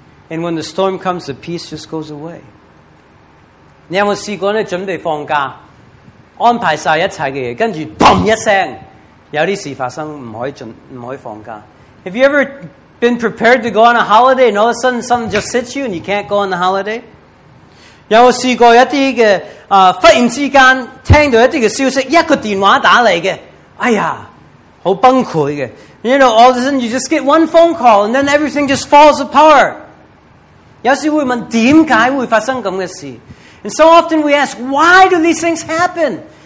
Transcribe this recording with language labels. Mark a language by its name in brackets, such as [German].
[English] And when the storm comes, the peace just goes away. [Chinese] 你有没有试过准备放假,安排了一切的东西,然后砰一声,有些事发生,不可以放假。 [English] Have you ever been prepared to go on a holiday and all of a sudden something just hits you and you can't go on the holiday? [Chinese] 有试过一些忽然之间听到一些消息,一个电话打来的,哎呀,很崩溃的。 [English] You know, all of a sudden you just get one phone call and then everything just falls apart. [Chinese] 有时会问,为什么会发生这样的事? [English] And so often we ask, why do these things happen?